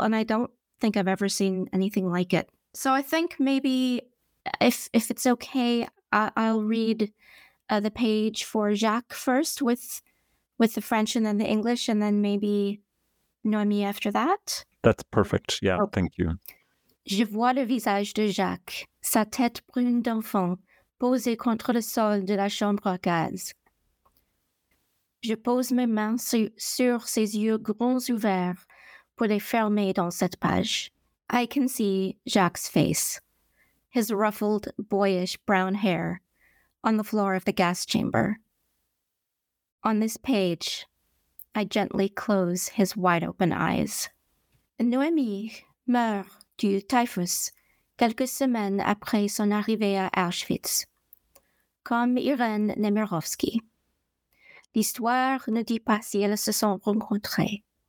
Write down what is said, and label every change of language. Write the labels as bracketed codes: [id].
[en] And I don't think I've ever seen anything like it. So I think maybe if it's okay, I'll read the page for Jacques first with the French and then the English, and then maybe Noémie after that. That's perfect. Yeah, okay. Thank you. [fr] Je vois le visage de Jacques, sa tête brune d'enfant, posée contre le sol de la chambre à gaz. Je pose mes mains sur ses yeux grands ouverts pour les fermer dans cette page. [en] I can see Jacques' face, his ruffled, boyish brown hair, on the floor of the gas chamber. On this page, I gently close his wide-open eyes. [fr] Noémie meurt du typhus quelques semaines après son arrivée à Auschwitz, comme Irène Nemirovsky. L'histoire ne dit pas si elles se sont rencontrées.